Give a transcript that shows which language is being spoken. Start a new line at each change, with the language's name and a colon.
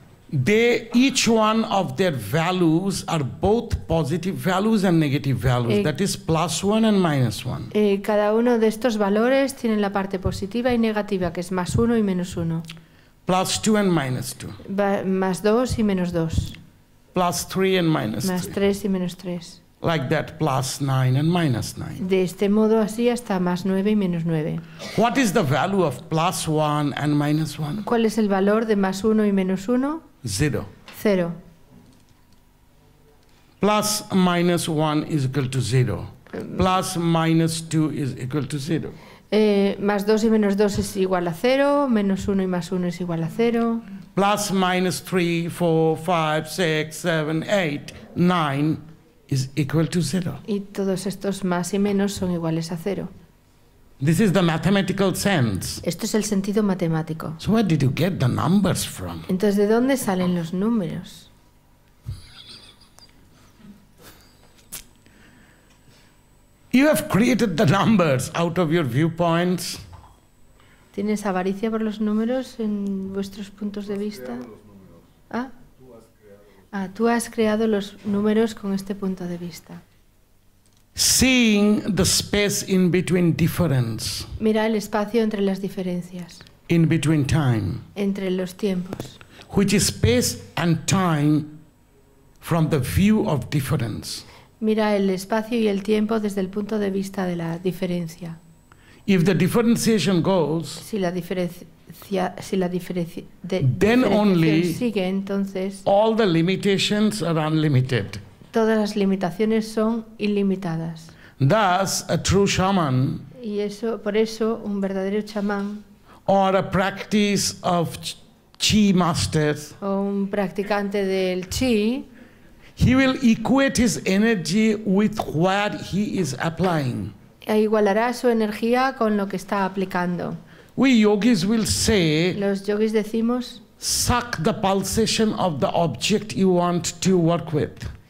English: They, each one of their values are both positive values and negative values, that is plus one and minus one.
Spanish: Cada uno de estos valores tiene la parte positiva y negativa, que es más uno y menos uno.
English: Plus two and minus two.
Spanish: Más dos y menos dos.
English: Plus three and minus
Spanish: más
English: three.
Spanish: Más tres y menos tres.
English: Like that, plus nine and minus nine.
Spanish: De este modo así hasta más nueve y menos nueve.
English: What is the value of plus one and minus one?
Spanish: ¿Cuál es el valor de más uno y menos uno?
English: Zero.
Spanish: Cero.
English: Plus minus one is equal to zero. Plus minus two is equal to zero.
Spanish: Más dos y menos dos es igual a cero. Menos uno y más uno es igual a cero.
English: Plus minus three, four, five, six, seven, eight, nine is equal to zero.
Spanish: Y todos estos más y menos son iguales a cero.
English: This is the mathematical sense.
Spanish: Esto es el sentido matemático.
English: So where did you get the numbers from?
Spanish: Entonces, ¿de dónde salen los números?
English: You have created the numbers out of your viewpoints.
Spanish: ¿Tienes avaricia por los números en vuestros puntos de vista? ¿Ah? Ah, tú has creado los números con este punto de vista.
English: Seeing the space in between difference.
Spanish: Mira el espacio entre las diferencias.
English: In between time.
Spanish: Entre los tiempos.
English: Which is space and time from the view of difference.
Spanish: Mira el espacio y el tiempo desde el punto de vista de la diferencia.
English: If the differentiation goes,
Spanish: si la diferencia, si la diferencia, de,
English: then only
Spanish: sigue, entonces,
English: all the limitations are unlimited.
Spanish: Todas las limitaciones son ilimitadas.
English: Thus, a true shaman,
Spanish: y eso, por eso, un verdadero chamán,
English: or a practice of chi masters,
Spanish: o un practicante del chi,
English: he will equate his energy with what he is applying.
Spanish: E igualará su energía con lo que está aplicando.
English: We yogis will say,
Spanish: los yogis decimos,
English: suck the pulsation of the object you want to work with.